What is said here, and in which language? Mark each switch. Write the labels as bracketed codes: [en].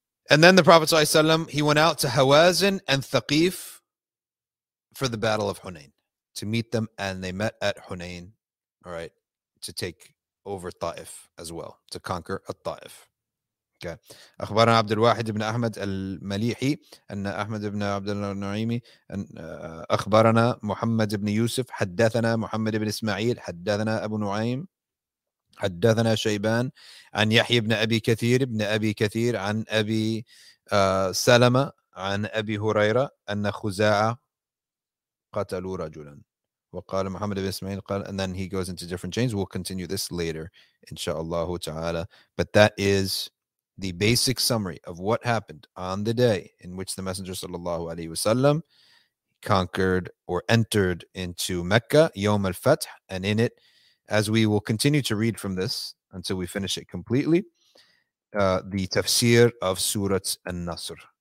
[en] And then the Prophet ﷺ, he went out to Hawazin and Thaqif for the battle of Hunain. To meet them, and they met at Hunain, all right, to take over Ta'if as well, to conquer Ta'if. [ar] أخبرنا عبد الواحد بن أحمد المليحي أن أحمد بن عبد الله النعيمي أن أخبرنا محمد بن يوسف حدثنا محمد بن إسماعيل حدثنا أبو نعيم حدثنا شيبان عن يحيى بن أبي كثير بن أبي كثير عن أبي سلمة عن أبي هريرة أن خزاعة قتلوا رجلا وقال محمد بن إسماعيل قال. [en] And then he goes into different chains. We'll continue this later [ar] إن شاء الله تعالى. [en] But that is the basic summary of what happened on the day in which the Messenger sallallahu alaihi wasallam conquered or entered into Mecca, Yawm al-Fath, and in it, as we will continue to read from this until we finish it completely, the tafsir of Surat An-Nasr.